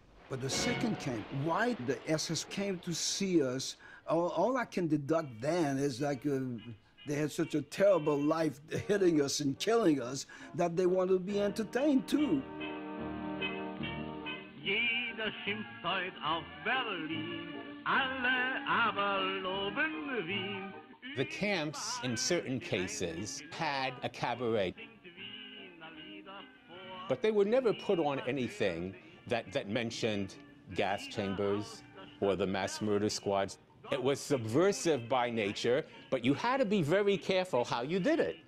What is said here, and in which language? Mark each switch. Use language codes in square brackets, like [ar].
[en] But the second camp, why the SS came to see us, all I can deduct then is like they had such a terrible life hitting us and killing us that they wanted to be entertained too. [de] Jeder schimpft heut auf Berlin, alle aber loben Wien. [en] The camps, in certain cases, had a cabaret. But they would never put on anything that mentioned gas chambers or the mass murder squads. It was subversive by nature, but you had to be very careful how you did it.